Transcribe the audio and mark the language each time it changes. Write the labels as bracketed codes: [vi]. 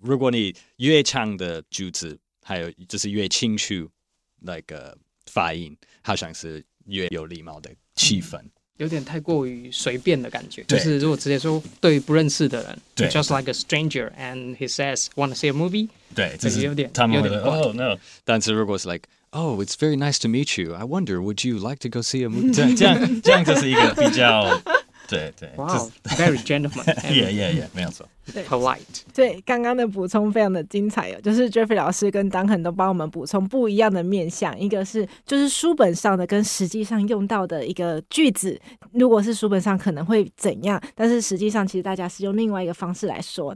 [zh] 如果你越强的句子还有就是越清楚 like, 发音，好像是越有礼貌的气氛。嗯，有点太过于随便的感觉，就是如果直接说对于不认识的人，对 [en] just like a stranger and he says wanna see a movie, [zh] 对，这是有点他们有点 [en] oh no, [zh] 但是如果是 [en] like oh it's very nice to meet you, I wonder would you like to go see a movie, [zh] 这样就是一个比较对 [en] wow, very gentleman. [zh] Yeah, 没有错。 [en] Polite. [zh] 对，刚刚的补充非常的精彩哦，就是 Jeffrey 老师跟 Duncan 都帮我们补充不一样的面向，一个是就是书本上的跟实际上用到的一个句子，如果是书本上可能会怎样，但是实际上其实大家是用另外一个方式来说。